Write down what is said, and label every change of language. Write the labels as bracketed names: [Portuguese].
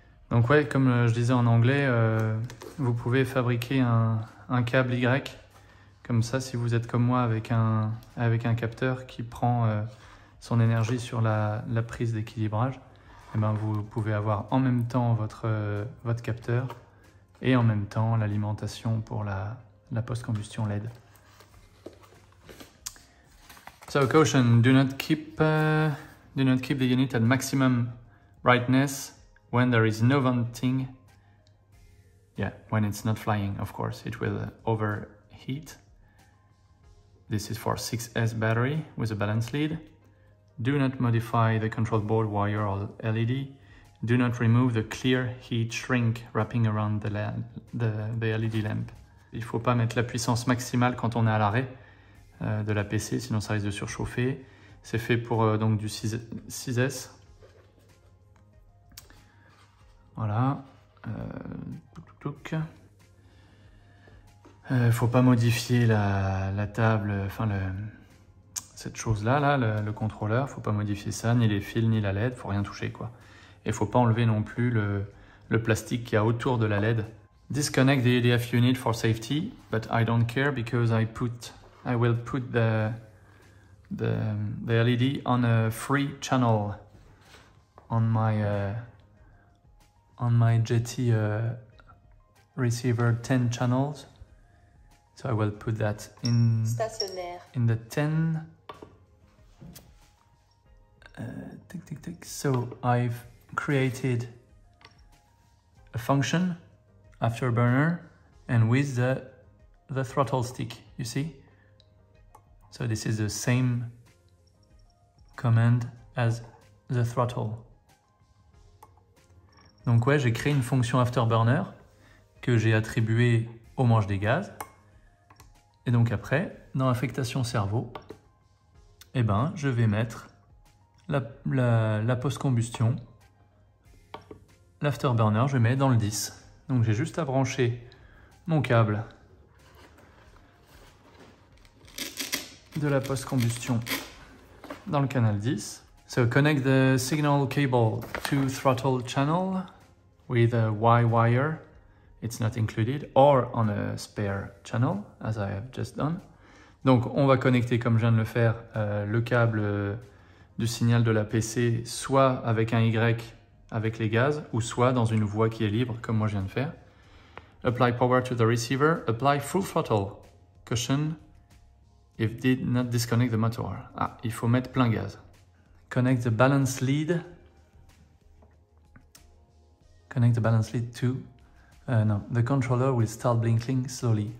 [French] Donc ouais, comme je disais en anglais, vous pouvez fabriquer un câble Y, comme ça si vous êtes comme moi avec un capteur qui prend son énergie sur la prise d'équilibrage. Eh ben, vous pouvez avoir en même temps votre capteur et en même temps l'alimentation pour la post-combustion LED. [English] So caution, do not keep the unit at maximum brightness when there is no venting. Yeah, when it's not flying, of course, it will overheat. This is for 6S battery with a balance lead. Do not modify the control board wire or LED. Do not remove the clear heat shrink wrapping around the LED lamp. [French] Il ne faut pas mettre la puissance maximale quand on est à l'arrêt de la PC, sinon ça risque de surchauffer. C'est fait pour donc du 6S. Voilà. Il ne faut pas modifier la table, enfin le... Cette chose-là, le contrôleur, faut pas modifier ça, ni les fils, ni la LED, faut rien toucher, quoi. Et faut pas enlever non plus le plastique qu'il y a autour de la LED. [English] Disconnect the EDF unit for safety, but I don't care because I will put the LED on a free channel on my Jeti receiver 10 channels. So I will put that in [French] stationnaire. [English] In the 10. Tick, tick, tick. So I've created a function afterburner and with the throttle stick, you see? So this is the same command as the throttle. [French] Donc ouais, j'ai créé une fonction afterburner que j'ai attribuée au manche des gaz. Et donc après, dans affectation cerveau, eh ben, je vais mettre la post-combustion, l'afterburner, je mets dans le 10. Donc j'ai juste à brancher mon câble de la post-combustion dans le canal 10. [English] So connect the signal cable to throttle channel with a Y wire, it's not included, or on a spare channel, as I have just done. [French] Donc on va connecter, comme je viens de le faire, le câble du signal de la PC, soit avec un Y avec les gaz, ou soit dans une voie qui est libre, comme moi je viens de faire. [English] Apply power to the receiver, apply full throttle. Caution, if did not disconnect the motor. [French] Ah, il faut mettre plein gaz. [English] Connect the balance lead. Connect the balance lead to... the controller will start blinking slowly.